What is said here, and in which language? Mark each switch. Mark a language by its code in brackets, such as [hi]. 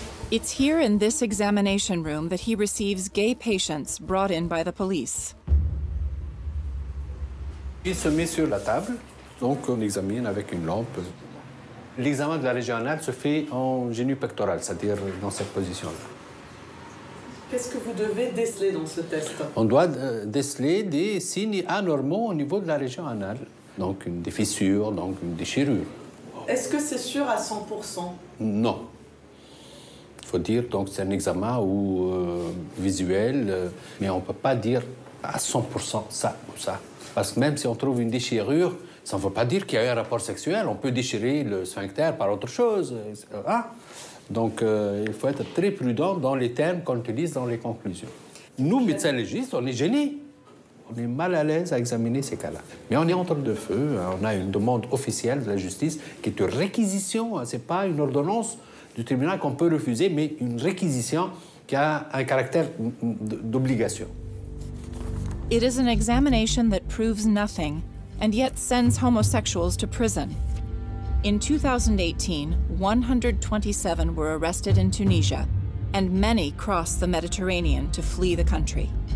[en] It's here in this examination room that he receives gay patients brought in by the police. [fr] Il se met sur la table, donc on examine avec une lampe. L'examen de la régionale se fait en genou pectoral, c'est-à-dire dans cette position-là. Qu'est-ce que vous devez déceler dans ce test? On doit déceler des signes anormaux au niveau de la région anale, donc des fissures, donc une déchirure. Est-ce que c'est sûr à 100%? Non. Il faut dire que c'est un examen où, visuel, mais on ne peut pas dire à 100% ça ou ça. Parce que même si on trouve une déchirure, ça ne veut pas dire qu'il y a eu un rapport sexuel. On peut déchirer le sphincter par autre chose. Ah. Donc il faut être très prudent dans les termes qu'on utilise dans les conclusions. Nous, médecins légistes, on est gênés. On est mal à l'aise à examiner ces cas-là. Mais on est entre deux feux. On a une demande officielle de la justice qui est une réquisition. Ce n'est pas une ordonnance du tribunal qu'on peut refuser, mais une réquisition qui a un caractère d'obligation. [en] It is an examination that proves nothing and yet sends homosexuals to prison. In 2018, 127 were arrested in Tunisia, and many crossed the Mediterranean to flee the country.